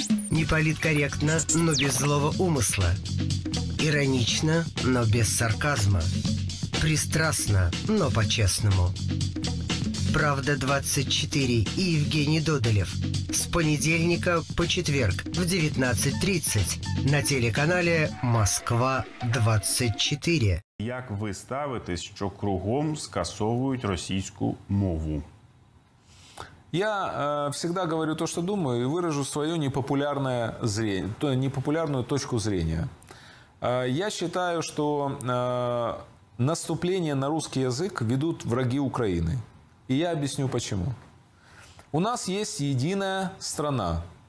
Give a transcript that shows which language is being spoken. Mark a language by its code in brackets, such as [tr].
[ru] Не политкорректно, но без злого умысла. Иронично, но без сарказма. Пристрастно, но по-честному. «Правда-24» и Евгений Додолев. С понедельника по четверг в 19.30 на телеканале «Москва-24». [uk] Як ви ставитесь, що кругом скасовують російську мову? [ru] Я всегда говорю то, что думаю, и выражу свою непопулярное зрение, то, непопулярную точку зрения. Я считаю, что наступление на русский язык ведут враги Украины. И я объясню почему. У нас есть единая страна.